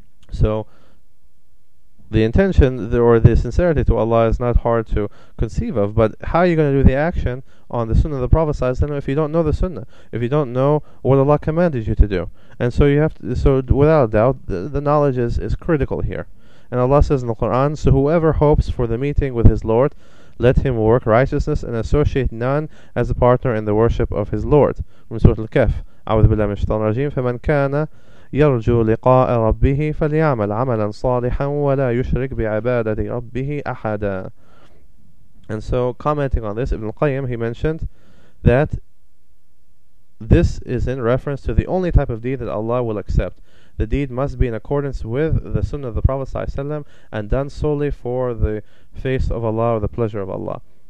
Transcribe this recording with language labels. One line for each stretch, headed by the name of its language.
English: So the intention or the sincerity to Allah is not hard to conceive of, but how are you going to do the action on the sunnah of the Prophet ﷺ if you don't know the sunnah, if you don't know what Allah commanded you to do? And so you have to, so without a doubt, the knowledge is critical here. And Allah says in the Quran, "So whoever hopes for the meeting with his Lord, let him work righteousness and associate none as a partner in the worship of his Lord." From Surah Al-Kahf,
Arabic: "A'udhu billahi minash shaitanir rajim, faman kana يرجو لقاء ربه فليعمل عملا صالحا ولا يشرك بعبادة ربه أحدا."
English: And so commenting on this, Ibn Qayyim, he mentioned that this is in reference to the only type of deed that Allah will accept. The deed must be in accordance with the sunnah of the Prophet ﷺ and done solely for the face of Allah or the pleasure of Allah.